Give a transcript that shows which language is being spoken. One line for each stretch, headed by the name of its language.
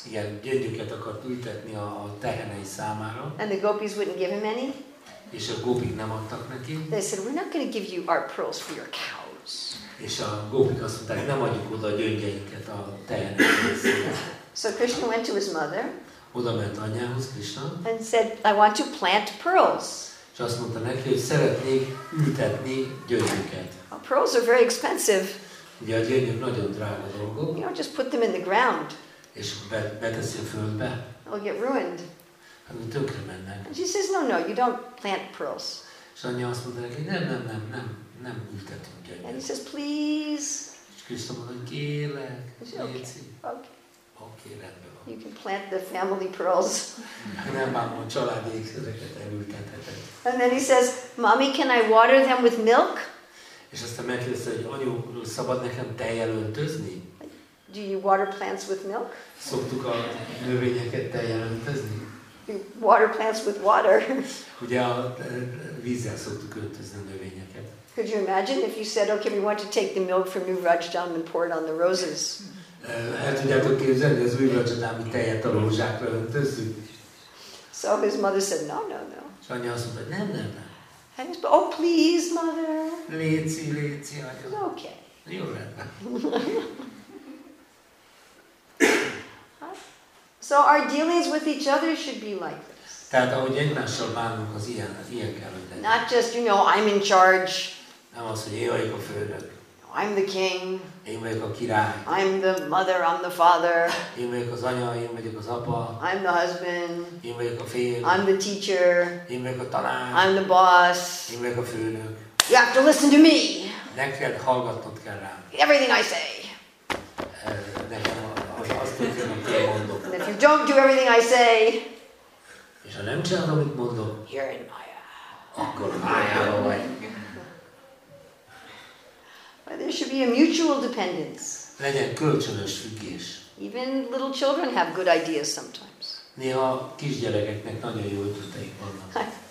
Hungarian: Igen, gyöngyöket akart ültetni a tehenei számára.
English: And the gopis wouldn't give him any.
Hungarian: És a gópik nem adtak neki.
English: They said, we're not going to give you our pearls for your cows.
Hungarian: És a gópik azt mondták, nem adjuk oda a gyöngyeinket a tehenekre.
English: So Krishna went to his mother.
Hungarian: Oda ment anyához, Krishna.
English: And said, I want to plant pearls.
Hungarian: És azt mondta neki, hogy szeretnék ültetni gyöngyöket.
English: Well, pearls are very expensive.
Hungarian: Ugye a gyöngyök nagyon drága dolgok.
English: You don't just put them in the ground.
Hungarian: És beteszi a földbe.
English: They'll get ruined.
Hungarian: Hát, tönkre mennek.
English: And she says, no, you don't plant pearls.
Hungarian: És anyja azt mondta neki, nem ültetünk gyöngyöket.
English: And he says, please.
Hungarian: És Krishna mondta, kérlek, léci.
English: Okay,
Hungarian: rendben van.
English: You can plant the family pearls.
Hungarian: Nem bánom, a családi ékszereket elültethetek.
English: And then he says, mommy, can I water them with milk?
Hungarian: És aztán megkérdezte, hogy anyu, szabad nekem tejjel öntözni?
English: Do you water plants with milk?
Hungarian: Szoktuk a növényeket tejjel öntözni?
English: You water plants with water.
Hungarian: Ugye a vízzel szoktuk öntözni a növényeket.
English: Could you imagine if you said, okay, we want to take the milk from New Rajdhan and pour it on the roses?
Hungarian: El tudjátok képzelni, az Új Rajdhani tejet a rózsákra öntözzük?
English: So his mother said, no.
Hungarian: És anyja azt mondta, nem.
English: And he said, oh, please, mother.
Hungarian: Léci, anya.
English: Okay.
Hungarian: Jó rendben.
English: So our dealings with each other should be like this.
Hungarian: Tehát ahogy egymással bánunk, az ilyen kell, hogy legyen.
English: Not just, you know, I'm in charge.
Hungarian: Nem az, hogy én vagyok a főnök.
English: I'm the king.
Hungarian: Én vagyok a király.
English: I'm the mother, I'm the father.
Hungarian: Én vagyok az anya, én vagyok az apa.
English: I'm the husband.
Hungarian: Én vagyok a férj.
English: I'm the teacher.
Hungarian: Én vagyok a tanár.
English: I'm the boss.
Hungarian: Én vagyok a főnök.
English: You have to listen to me.
Hungarian: Neked hallgatnod kell rám.
English: Everything I say.
Hungarian: Nekem azt mondom, amit én mondok.
English: And if you don't do everything I say,
Hungarian: és ha nem csinálod, amit mondom,
English: you're in Maya.
Hungarian: Akkor Maya-ba vagy.
English: But there should be a mutual dependence.
Hungarian: Legyen kölcsönös függés.
English: Even little children have good ideas sometimes.
Hungarian: Néha kisgyerekeknek nagyon jó ötleteik vannak.